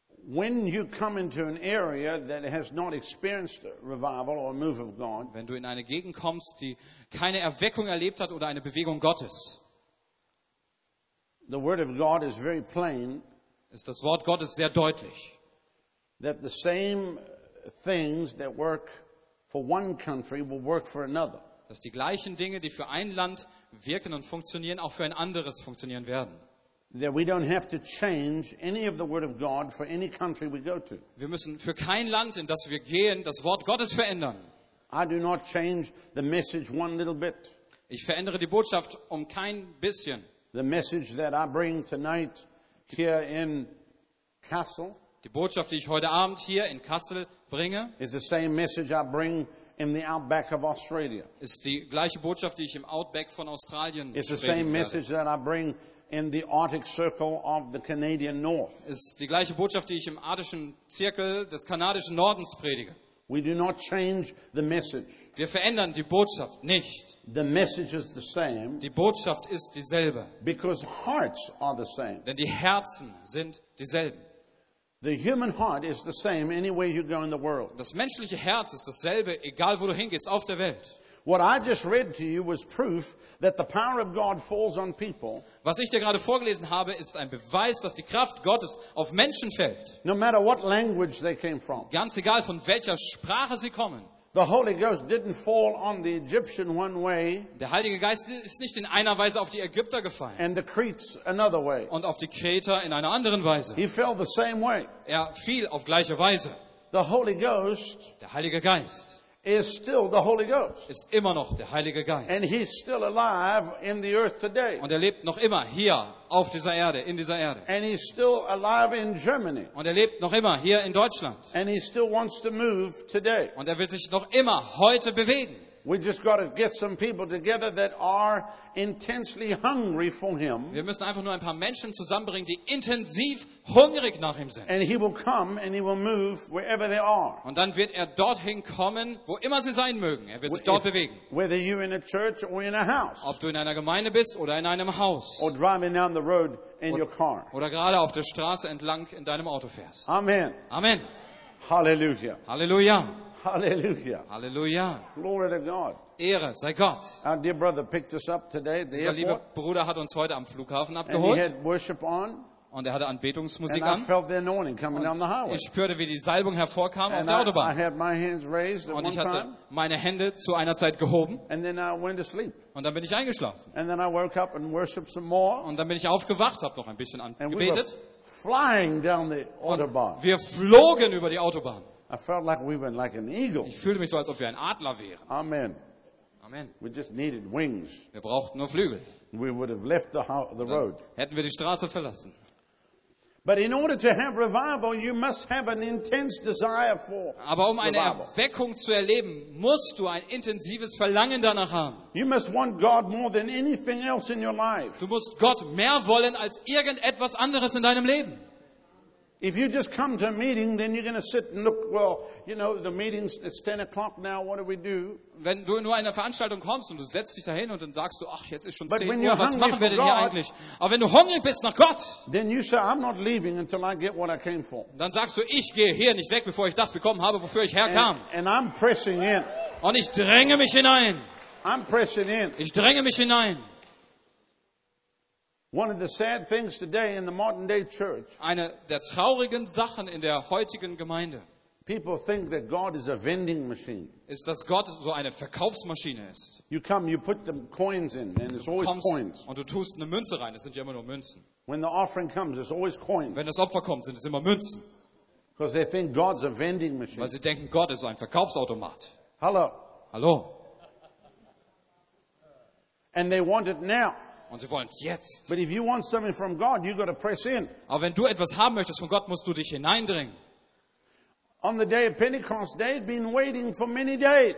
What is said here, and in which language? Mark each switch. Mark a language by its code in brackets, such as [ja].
[en] When you come into an area that has not experienced revival or a move of God, [de] wenn du in eine Gegend kommst, die keine Erweckung erlebt hat oder eine Bewegung Gottes, [en] the word of God is very plain, [de] ist das Wort Gottes sehr deutlich, [en] that the same things that work for one country will work for another. [de] Dass die gleichen Dinge, die für ein Land wirken und funktionieren, auch für ein anderes funktionieren werden. [en] That we don't have to change any of the word of God for any country we go to. [de] Wir müssen für kein Land, in das wir gehen, das Wort Gottes verändern. [en] I do not change the message one little bit. [de] Ich verändere die Botschaft um kein bisschen. [en] The message that I bring tonight here in Kassel. [de] Die Botschaft, die ich heute Abend hier in Kassel bringe, [en] is the same message I bring in the outback of Australia. [de] Ist die gleiche Botschaft, die ich im Outback von Australien bringe. [en] It's the same message that I bring in the Arctic Circle of the Canadian North. [de] Ist die gleiche Botschaft, die ich im arktischen Zirkel des kanadischen Nordens predige. [en] We do not change the message. [de] Wir verändern die Botschaft nicht. [en] The message is the same. [de] Die Botschaft ist dieselbe. [en] Because hearts are the same. [de] Denn die Herzen sind dieselben. [en] The human heart is the same anywhere you go in the world. [de] Das menschliche Herz ist dasselbe, egal wo du hingehst auf der Welt. [en] What I just read to you was proof that the power of God falls on people. [de] Was ich dir gerade vorgelesen habe, ist ein Beweis, dass die Kraft Gottes auf Menschen fällt. [en] No matter what language they came from. [de] Ganz egal von welcher Sprache sie kommen. [en] The Holy Ghost didn't fall on the Egyptian one way. [de] Der Heilige Geist ist nicht in einer Weise auf die Ägypter gefallen. [en] And the Cretes another way. [de] Und auf die Kreter in einer anderen Weise. [en] He fell the same way. [de] Er fiel auf gleiche Weise. [en] The Holy Ghost. [de] Der Heilige Geist. [en] Is still the Holy Ghost. [de] Ist immer noch der Heilige Geist. [en] And he's still alive in the earth today. [de] Und lebt noch immer hier auf dieser Erde, in dieser Erde. [en] And he's still alive in Germany. [de] Und lebt noch immer hier in Deutschland. [en] And he still wants to move today. [de] Und will sich noch immer heute bewegen. [en] We just got to get some people together that are intensely hungry for him. [de] Wir müssen einfach nur ein paar Menschen zusammenbringen, die intensiv hungrig nach ihm sind. [en] And he will come and he will move wherever they are. [de] Und dann wird dorthin kommen, wo immer sie sein mögen. Wird sich dort bewegen. [en] Whether you're in a church or in a house. [de] Ob du in einer Gemeinde bist oder in einem Haus. [en] Or driving down the road in your car. [de] Oder gerade auf der Straße entlang in deinem Auto fährst. Amen. Amen. Hallelujah. Hallelujah. Hallelujah. Hallelujah. [en] Glory to God. [de] Ehre sei Gott. [en] Our dear brother picked us up today. [de] Dieser liebe Bruder hat uns heute am Flughafen abgeholt. [en] And he had worship on. [de] Und hatte Anbetungsmusik [en] an. And I felt the anointing coming down the highway. [de] Ich spürte, wie die Salbung hervorkam auf der Autobahn. [en] I had my hands raised at one time. [de] Und ich hatte meine Hände zu einer Zeit gehoben. [en] And then I went to sleep. [de] Und dann bin ich eingeschlafen. [en] And then I woke up and worshiped some more. [de] Und dann bin ich aufgewacht, habe noch ein bisschen angebetet. [en] Flying down the autobahn. [de] Wir flogen über die Autobahn. [en] I felt like we were like an eagle. [de] Ich fühlte mich so, als ob wir ein Adler wären. Amen. Amen. [en] We just needed wings. [de] Wir brauchten nur Flügel. [en] We would have left the road. [de] Hätten wir die Straße verlassen. [en] But in order to have revival, you must have an intense desire for revival. [de] Aber um eine Erweckung zu erleben, musst du ein intensives Verlangen danach haben. [en] You must want God more than anything else in your life. [de] Du musst Gott mehr wollen als irgendetwas anderes in deinem Leben. [en] If you just come to a meeting, then you're going to sit and look, well, you know, the meeting's it's 10 o'clock now, what do we do? [de] Wenn du nur einer Veranstaltung kommst und du setzt dich dahin und dann sagst du, ach, jetzt ist schon 10 Uhr, was machen wir denn hier eigentlich? Aber wenn du hungrig bist nach Gott, [en] then you say, I'm not leaving until I get what I came for. [de] Dann sagst du, ich gehe hier nicht weg, bevor ich das bekommen habe, wofür ich herkam. [en] And I'm pressing in. [de] Und ich dränge mich hinein. [en] I'm pressing in. [de] Ich dränge mich hinein. [en] One of the sad things today in the modern day church. [de] Eine der traurigen Sachen in der heutigen Gemeinde. [en] People think that God is a vending machine. [de] Ist, dass Gott so eine Verkaufsmaschine ist. [en] You come, you put the coins in, and it's always coins. [de] Und du tust eine Münze rein, es sind ja immer nur Münzen. [en] When the offering comes, it's always coins. [de] Wenn das Opfer kommt, sind es immer Münzen. [en] Because they think God's a vending machine. [de] Weil sie denken, Gott ist so ein Verkaufsautomat. Hallo. Hallo. [en] And they want it now. [de] Und sie wollen es jetzt. [en] But if you want something from God, you got to press in. [de] Aber wenn du etwas haben möchtest von Gott, musst du dich hineindringen. [en] On the day of Pentecost, they had been waiting for many days.